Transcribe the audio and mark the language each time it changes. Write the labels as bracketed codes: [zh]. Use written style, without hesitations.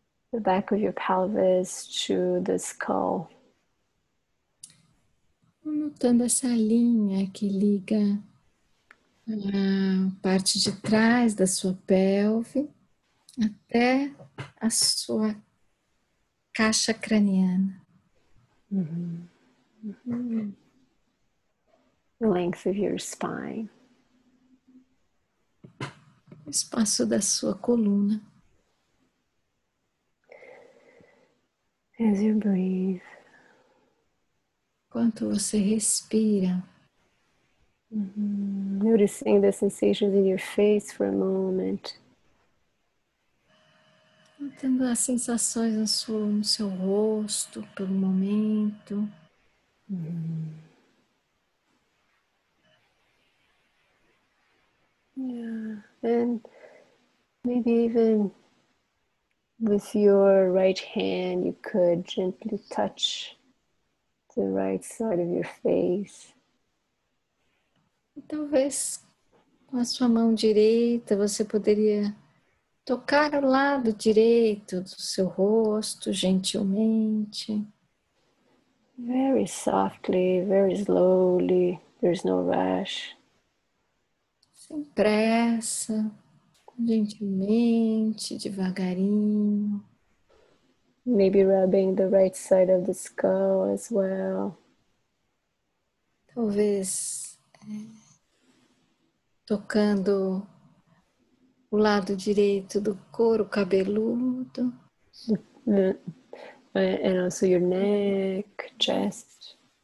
[en] The back of your pelvis to the skull. [pt] Notando essa linha que liga a parte de trás da sua pelve até a sua caixa craniana. [en] The length of your spine. [pt] O espaço da sua coluna. [en] As you breathe. [pt] Enquanto você respira. [en] Noticing the sensations in your face for a moment. [pt] Tendo as sensações no seu rosto por um momento. [en] Maybe even with your right hand, you could gently touch the right side of your face. [pt] Talvez com a sua mão direita você poderia tocar o lado direito do seu rosto, gentilmente. [en] Very softly, very slowly, there's no rush. [pt] Sem pressa, gentilmente, devagarinho. [en] Maybe rubbing the right side of the skull as well. [pt] Talvez tocando o lado direito do couro cabeludo. [en] And also your neck, chest.